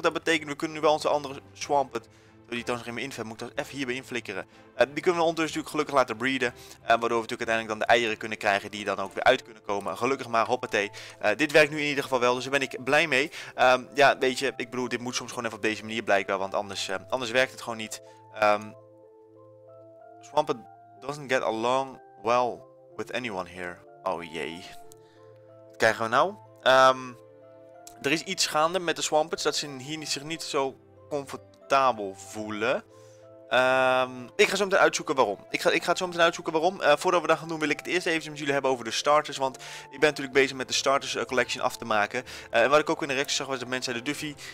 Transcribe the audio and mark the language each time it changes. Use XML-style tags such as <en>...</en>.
<nl>Dat betekent we kunnen nu wel onze andere Swampert. Die toch nog in mijn info moet ik dat even hierbij inflikkeren. Die kunnen we ondertussen natuurlijk gelukkig laten breeden. Waardoor we natuurlijk uiteindelijk dan de eieren kunnen krijgen die dan ook weer uit kunnen komen. Gelukkig maar, hoppatee. Dit werkt nu in ieder geval wel, dus daar ben ik blij mee. Ja, weet je, ik bedoel, dit moet soms gewoon even op deze manier blijkbaar, want anders werkt het gewoon niet.</nl> <en>Swampert doesn't get along well with anyone here.</en> <nl>Oh jee. Wat krijgen we nou? Er is iets gaande met de Swampert, dat ze hier zich niet zo comfortabel voelen. Ik ga zo meteen uitzoeken waarom. Ik ga het zo meteen uitzoeken waarom. Voordat we dat gaan doen wil ik het eerst even met jullie hebben over de starters. Want ik ben natuurlijk bezig met de starters collection af te maken. En wat ik ook in de reacties zag was dat mensen zeiden Duffy.</nl>